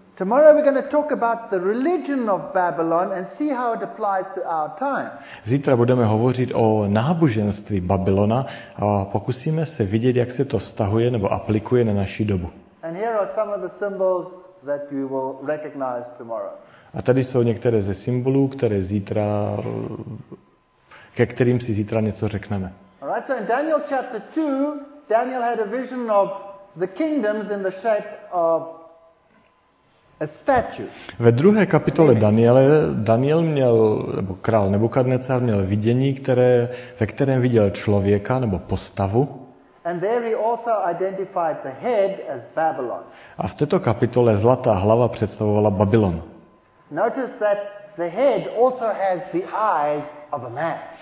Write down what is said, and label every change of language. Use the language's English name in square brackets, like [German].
[English] Tomorrow we're going to talk about the religion of Babylon and see how it applies to our time. [Czech] Zítra budeme hovořit o náboženství Babylona a pokusíme se vidět, jak se to vztahuje nebo aplikuje na naši dobu. [English] And here are some of the symbols that you will recognize tomorrow. [Czech] A tady jsou některé ze symbolů, které zítra, ke kterým si zítra něco řekneme. [English] All right, so in Daniel chapter 2, Daniel had a vision of the kingdoms in the shape of a statue. [Czech] Ve druhé kapitole Daniele, Daniel měl, nebo král Nebukadnecar měl vidění, které, ve kterém viděl člověka nebo postavu. [English] And there he also identified the head as Babylon. [Czech] A v této kapitole zlatá hlava představovala Babylon. [English] Notice that the head also has the eyes of a man.